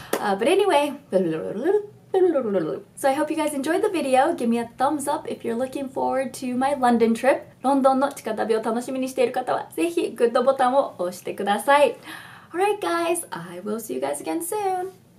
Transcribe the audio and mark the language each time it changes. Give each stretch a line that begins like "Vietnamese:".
English: But anyway, so I hope you guys enjoyed the video. Give me a thumbs up if you're looking forward to my London trip.
Japanese: ロンドンの近旅を楽しみにしている方はぜひグッドボタンを押してください。
English: Alright guys, I will see you guys again soon.